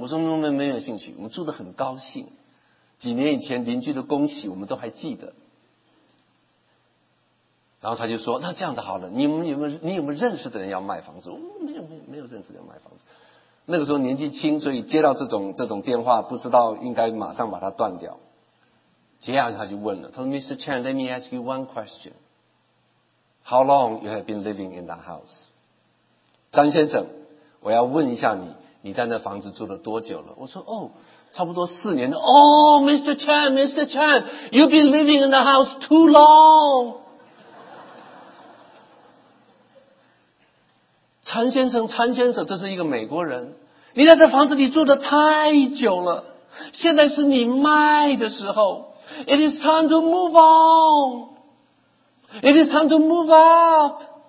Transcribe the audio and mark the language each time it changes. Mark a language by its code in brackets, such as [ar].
[zh] 我说没有兴趣，我们住得很高兴，几年以前邻居的恭喜我们都还记得。然后他就说，那这样子好了，你有没有认识的人要卖房子？没有认识的人要卖房子。那个时候年纪轻，所以接到这种电话，不知道应该马上把它断掉。接下来他就问了，他说 Mr. [en] Chan, let me ask you one question. How long you have been living in that house? [zh] 张先生，我要问一下你，你在那房子住了多久了？我说哦，差不多四年了。 [en] 哦 Mr. Chan, you've been living in the house too long. [zh] 陈先生，这是一个美国人，你在这房子里住得太久了，现在是你卖的时候。 [en] It is time to move on. It is time to move up.